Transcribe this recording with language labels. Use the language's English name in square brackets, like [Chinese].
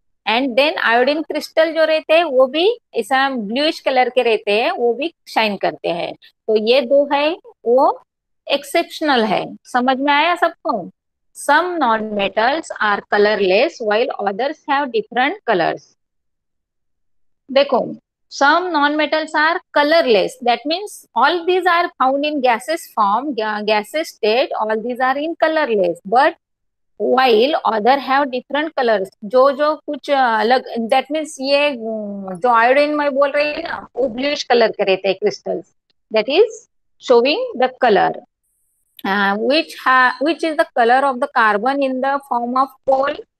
[Hindi] And then iodine crystal जो रहते हैं वो भी ऐसा ब्लूइश कलर के रहते हैं, वो भी शाइन करते हैं. तो ये दो है वो एक्सेप्शनल है. समझ में आया सबको? [English] Some non metals are colourless while others have different colours. [Hindi] देखो [English] Some non-metals are colorless. That means all these are found in gaseous form, gaseous state. All these are in colorless. But while other have different colors, [Hindi] जो जो कुछ अलग, [English] that means [Hindi] ये जो iodine मैं बोल रही है ना, वो ब्लूश कलर कर रहे थे crystals, [English] That is showing the colour. Which is the colour of the carbon in the form of coal.